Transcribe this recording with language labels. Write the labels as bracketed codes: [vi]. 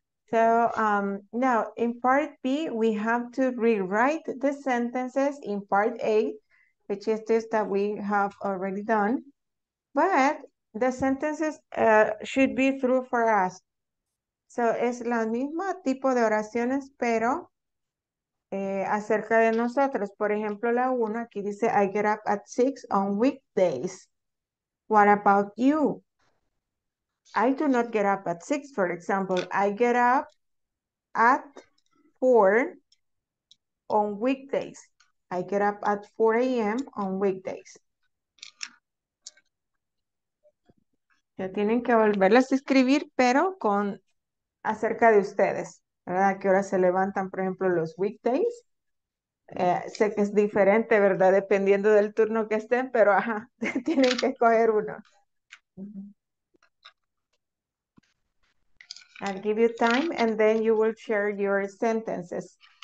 [en] So now in part B, we have to rewrite the sentences in part A, which is this that we have already done. But the sentences should be true for us. [es] So es la misma tipo de oraciones, pero acerca de nosotros. Por ejemplo, la uno aquí dice, [en] I get up at 6 on weekdays. What about you? I do not get up at 6, for example. I get up at 4 on weekdays. I get up at 4 a.m. on weekdays. [es] Ya tienen que volverlas a escribir, pero con acerca de ustedes, ¿verdad? ¿A qué hora se levantan, por ejemplo, los weekdays? Sé que es diferente, ¿verdad? Dependiendo del turno que estén, pero ajá, tienen que escoger uno. [en] I'll give you time and then you will share your sentences.